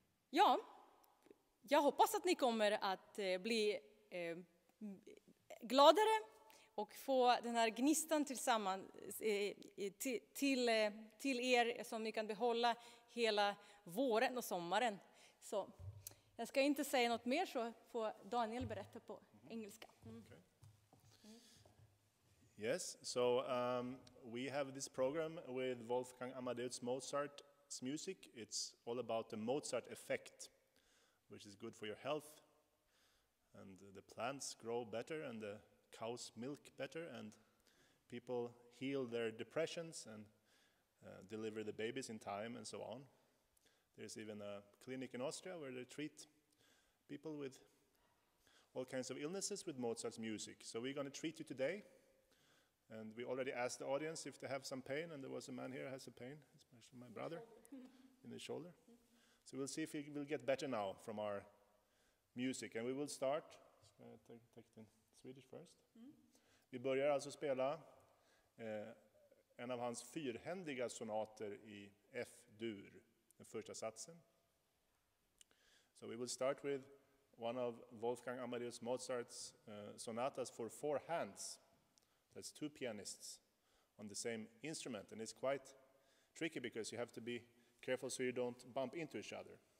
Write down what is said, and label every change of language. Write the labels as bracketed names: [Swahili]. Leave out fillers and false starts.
[Swedish] Ja. Jag hoppas att ni kommer att bli gladare och få den här gnistan tillsammans till er, som ni kan behålla hela våren och sommaren. Så jag ska inte säga något mer, så får Daniel berätta på engelska. [English] Okay. Yes, so we have this program with Wolfgang Amadeus Mozart's music. It's all about the Mozart effect, which is good for your health, and the plants grow better and the cows milk better, and people heal their depressions and deliver the babies in time and so on. There's even a clinic in Austria where they treat people with all kinds of illnesses with Mozart's music. So we're going to treat you today, and we already asked the audience if they have some pain, and there was a man here who has a pain, especially my brother, in the shoulder. So we'll see if we will get better now from our music, and we will start. Take it in Swedish first. [Swedish] Vi börjar alltså spela en av hans fyrhändiga sonater i F-dur, den första satsen. [English] So we will start with one of Wolfgang Amadeus Mozart's sonatas for four hands. That's two pianists on the same instrument, and it's quite tricky because you have to be careful so you don't bump into each other.